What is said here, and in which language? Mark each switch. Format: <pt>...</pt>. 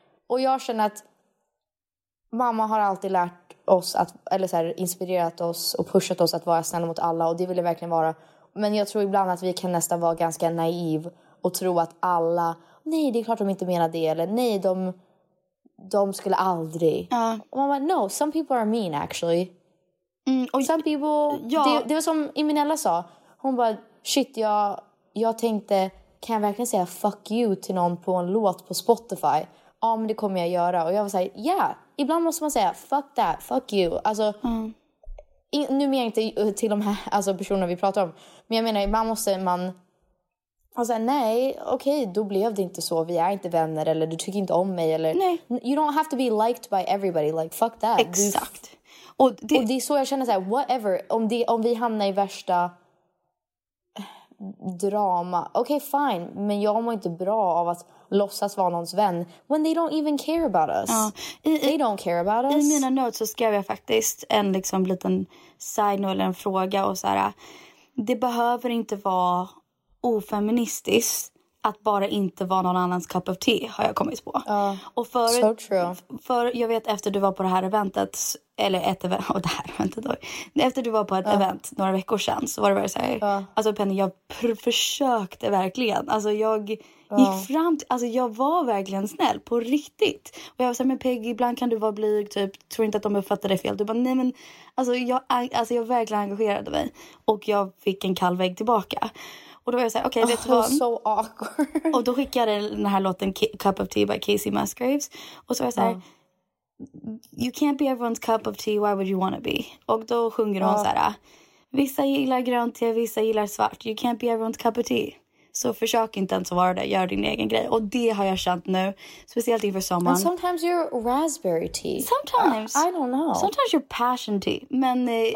<sv>Och jag känner att mamma har alltid lärt oss att, eller så här, inspirerat oss och pushat oss att vara snälla mot alla. Och det vill jag verkligen vara. Men jag tror ibland att vi kan nästan vara ganska naiv och tro att alla, nej, det är klart de inte menar det. Eller nej, de skulle aldrig. Och mamma,</sv> <en>no, some people are mean actually.</en> <sv>Och</sv> <en>some people,</en> <sv>det var som Imminella sa. Hon bara, shit, jag tänkte, kan jag verkligen säga fuck you till någon på en låt på Spotify? Ja, men det kommer jag göra. Och jag var såhär, yeah, ibland måste man säga</sv> <en>fuck that, fuck you.</en> <sv>Alltså, nu menar jag inte till de här alltså, personerna vi pratar om. Men jag menar, ibland måste man säga, nej, okej, okay, då blev det inte så. Vi är inte vänner, eller du tycker inte om mig. Eller, nej.</sv> <en>You don't have to be liked by everybody, like, fuck that.</en> <sv>Exakt. Och det är så jag känner såhär, whatever, om vi hamnar i värsta drama. Okej, okay, fine, men jag mår inte bra av att låtsas vara någons vän.</sv> <en>When they don't even care about us. They don't care about us.</en> <sv>I mina notes så skrev jag faktiskt en liksom liten side note eller en fråga. Och så här, det behöver inte vara ofeministiskt att bara inte vara någon annans</sv> <en>cup of tea,</en> <sv>har jag kommit på. Och förut,</sv> <en>so true.</en> <sv>För jag vet, efter du var på det här eventet, eller ett event, och det här eventet då, efter du var på ett event några veckor sedan, så var det bara så här, alltså Penny, jag försökte verkligen, alltså jag gick fram till, alltså jag var verkligen snäll, på riktigt. Och jag var så här, men Peggy, ibland kan du vara blyg, typ, tror inte att de uppfattar det fel. Du bara, nej men, alltså jag verkligen engagerade mig, och jag fick en kall vägg tillbaka. Och då var jag såhär, okej, vet du vad?</sv> <en>So awkward.</en> <sv>Och då skickade jag den här låten Cup of Tea by Kacey Musgraves. Och så var jag såhär,</sv> <en>you can't be everyone's cup of tea, why would you want to be?</en> <sv>Och då sjunger hon såhär, vissa gillar grönt te, vissa gillar svart.</sv> <en>You can't be everyone's cup of tea.</en> <sv>Så försök inte ens vara det, gör din egen grej. Och det har jag känt nu, speciellt inför sommaren.</sv> <en>And sometimes you're raspberry tea. Sometimes. I don't know. Sometimes you're passion tea. Men,</en>